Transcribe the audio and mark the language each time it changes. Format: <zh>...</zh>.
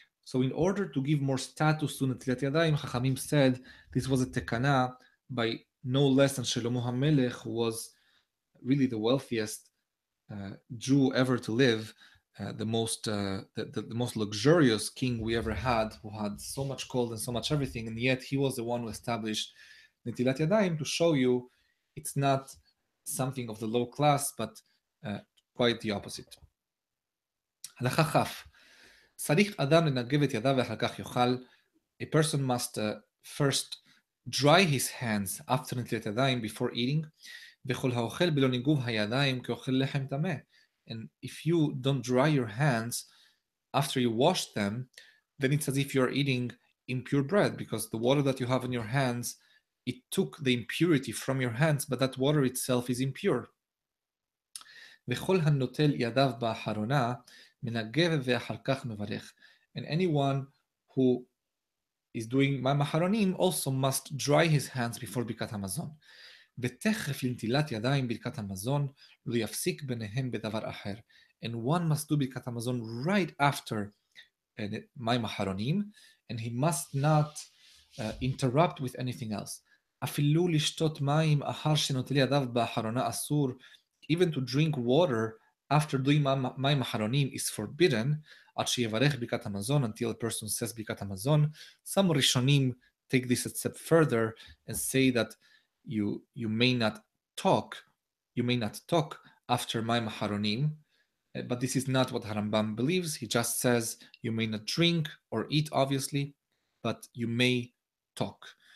<en>So in order to give more status to Netilat Yadayim, Chachamim said this was a tekana by no less than Shlomo HaMelech, who was really the wealthiest Jew ever to live, the most luxurious king we ever had, who had so much gold and so much everything, and yet he was the one who established Netilat Yadayim to show you it's not something of the low class, but quite the opposite.</en> <he>הלכה חף, צריך אדם לנגב את ידיו ואחר כך יאכל.</he> <en>A person must first dry his hands after נטילת ידיים before eating.</en> <he>וכל האוכל בלא ניגוב הידיים כאוכל לחם טמא.</he> <en>And if you don't dry your hands after you wash them, then it's as if you're eating impure bread, because the water that you have in your hands, it took the impurity from your hands, but that water itself is impure.</en> <he>וכל הנוטל ידיו באחרונה, מנגב ואחר כך מברך.</he> <en>And anyone who is doing Mayim Aharonim also must dry his hands before Birkat HaMazon.</en> <he>ותכף לנטילת ידיים ברכת המזון, לא יפסיק ביניהם בדבר אחר.</he> <en>And one must do Birkat HaMazon right after Mayim Aharonim, and he must not interrupt with anything else.</en> <he>אפילו לשתות מים אחר שנוטל ידיו באחרונה אסור,</he> <en>even to drink water after doing Mayim Aharonim is forbidden,</en> <he>עד שיברך ברכת המזון,</he> <en>until a person says</en> <he>ברכת המזון.</he> <en>Some Rishonim take this a step further and say that you may not talk after Mayim Aharonim, but this is not what Harambam believes. He just says you may not drink or eat, obviously, but you may talk.</en>